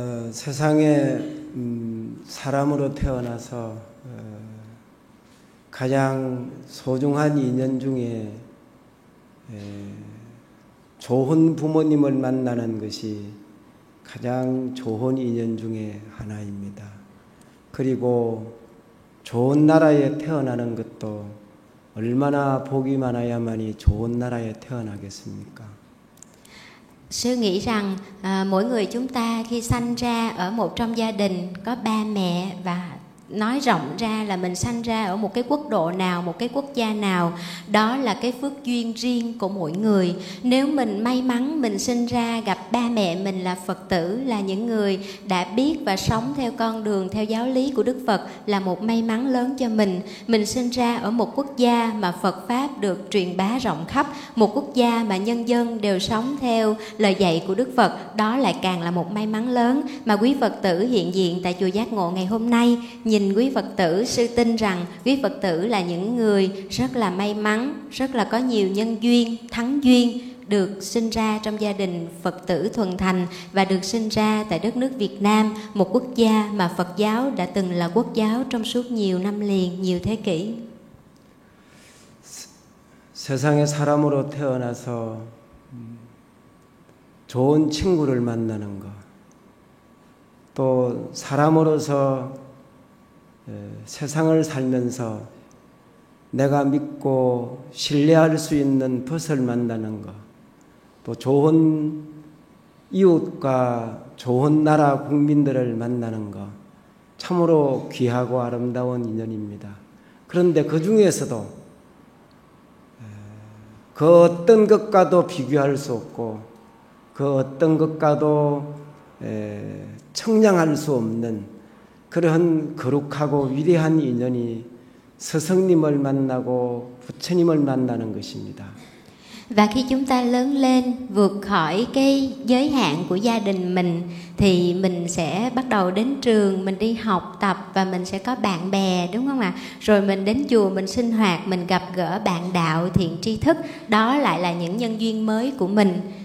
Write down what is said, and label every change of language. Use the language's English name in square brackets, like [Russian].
[Korean] 세상에 사람으로 태어나서 가장 소중한 인연 중에 좋은 부모님을 만나는 것이 가장 좋은 인연 중에 하나입니다. 그리고 좋은 나라에 태어나는 것도 얼마나 복이 많아야만이 좋은 나라에 태어나겠습니까? [Vietnamese] Sư nghĩ rằng mỗi người chúng ta khi sanh ra ở một trong gia đình có ba mẹ, và nói rộng ra là mình sanh ra ở một cái quốc độ nào, một cái quốc gia nào, đó là cái phước duyên riêng của mỗi người. Nếu mình may mắn mình sinh ra gặp ba mẹ mình là Phật tử, là những người đã biết và sống theo con đường, theo giáo lý của Đức Phật, là một may mắn lớn cho mình. Mình sinh ra ở một quốc gia mà Phật Pháp được truyền bá rộng khắp, một quốc gia mà nhân dân đều sống theo lời dạy của Đức Phật, đó lại càng là một may mắn lớn. Mà quý Phật tử hiện diện tại chùa Giác Ngộ ngày hôm nay, nhìn quý Phật tử, sư tin rằng quý Phật tử là những người rất là may mắn, rất là có nhiều nhân duyên, thắng duyên, được sinh ra trong gia đình Phật tử thuần thành và được sinh ra tại đất nước Việt Nam, một quốc gia mà Phật giáo đã từng là quốc giáo trong suốt nhiều năm liền, nhiều thế kỷ. [Korean] 세상에 사람으로 태어나서 좋은 친구를 만나는 것, 또 사람으로서 세상을 살면서 내가 믿고 신뢰할 수 있는 벗을 만나는 것, 또 좋은 이웃과 좋은 나라 국민들을 만나는 것, 참으로 귀하고 아름다운 인연입니다. 그런데 그 중에서도 그 어떤 것과도 비교할 수 없고 그 어떤 것과도 청량할 수 없는 그러한 거룩하고 위대한 인연이 스승님을 만나고 부처님을 만나는 것입니다. [Vietnamese] Và khi chúng ta lớn lên vượt khỏi cái giới hạn của gia đình mình thì mình sẽ bắt đầu đến trường, mình đi học tập và mình sẽ có bạn bè, đúng không ạ? Rồi mình đến chùa, mình sinh hoạt, mình gặp gỡ bạn đạo, thiện tri thức, đó lại là những nhân duyên mới của mình.